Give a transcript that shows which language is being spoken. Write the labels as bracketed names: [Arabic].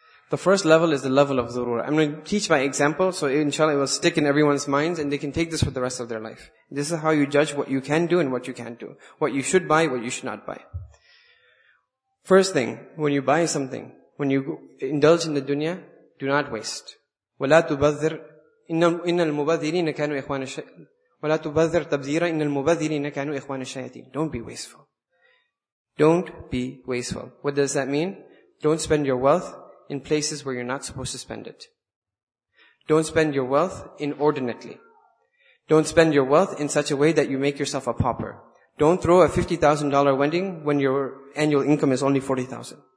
[English] The first level is the level of zurur. I'm going to teach by example, so inshallah it will stick in everyone's minds and they can take this for the rest of their life. This is how you judge what you can do and what you can't do. What you should buy, what you should not buy. First thing, when you buy something, when you indulge in the dunya, do not waste. [Arabic] وَلَا تُبَذِّرْ إِنَّ الْمُبَذِّرِينَ كَانُوا إِخْوَانَ الشَّيَاطِينَ وَلَا تُبَذِّرْ تَبْذِيرًا إِنَّ الْمُبَذِّرِينَ كَانُوا إِخْوَانَ الشَّيَاطِينَ [English] Don't be wasteful. Don't be wasteful. What does that mean? Don't spend your wealth in places where you're not supposed to spend it. Don't spend your wealth inordinately. Don't spend your wealth in such a way that you make yourself a pauper. Don't throw a $50,000 wedding when your annual income is only $40,000.